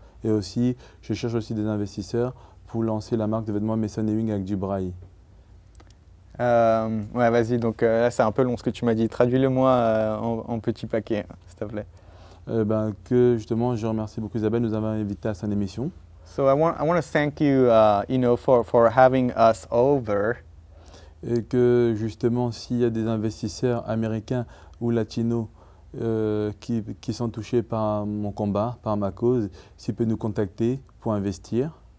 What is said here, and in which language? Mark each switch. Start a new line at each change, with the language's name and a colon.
French: Et aussi, je cherche aussi des investisseurs pour lancer la marque de vêtements Mason Ewing avec du braille. Ouais, vas-y, donc là c'est un peu long ce que tu m'as dit. Traduis-le-moi en petit paquet, s'il te plaît. Que justement, je remercie beaucoup Isabelle de nous avoir invité à son émission.
English: So I want to thank you, you know, for having us over.
French: Et que justement, s'il y a des investisseurs américains ou latinos qui sont touchés par mon combat, par ma cause, s'ils peuvent nous contacter pour investir.